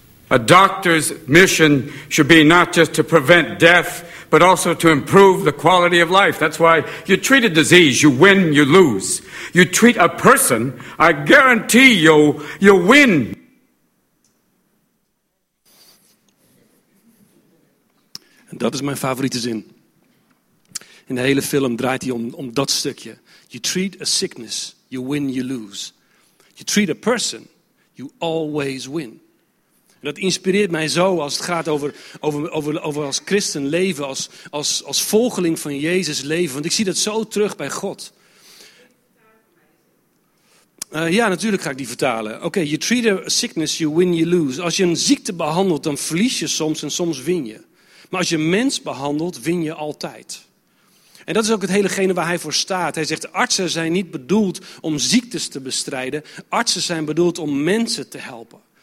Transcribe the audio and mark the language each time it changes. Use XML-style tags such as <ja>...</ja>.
<en>A doctor's mission should be not just to prevent death, but also to improve the quality of life. That's why you treat a disease, you win, you lose. You treat a person, I guarantee you'll win.</en> <nl>En dat is mijn favoriete zin. In de hele film draait hij om dat stukje.</nl> <en>You treat a sickness, you win, you lose. You treat a person, you always win.</en> <nl>En dat inspireert mij zo als het gaat over als christen leven, als volgeling van Jezus leven. Want ik zie dat zo terug bij God. Ja, natuurlijk ga ik die vertalen.</nl> <en>Oké, you treat a sickness, you win, you lose.</en> <nl>Als je een ziekte behandelt, dan verlies je soms en soms win je. Maar als je een mens behandelt, win je altijd. En dat is ook het helegene waar hij voor staat. Hij zegt, artsen zijn niet bedoeld om ziektes te bestrijden. Artsen zijn bedoeld om mensen te helpen.</nl>